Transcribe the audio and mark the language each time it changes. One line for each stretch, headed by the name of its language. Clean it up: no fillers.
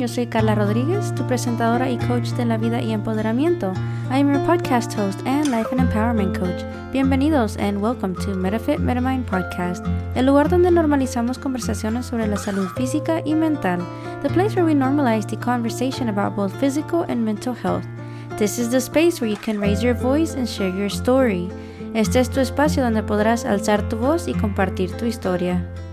Spanish: Yo soy Carla Rodriguez, tu presentadora y coach de la vida y empoderamiento.
English: I am your podcast host and life and empowerment coach. Bienvenidos and welcome to MetaFit MetaMind Podcast,
Spanish: el lugar donde normalizamos conversaciones sobre la salud física y mental.
English: The place where we normalize the conversation about both physical and mental health. This is the space where you can raise your voice and share your story.
Spanish: Este es tu espacio donde podrás alzar tu voz y compartir tu historia.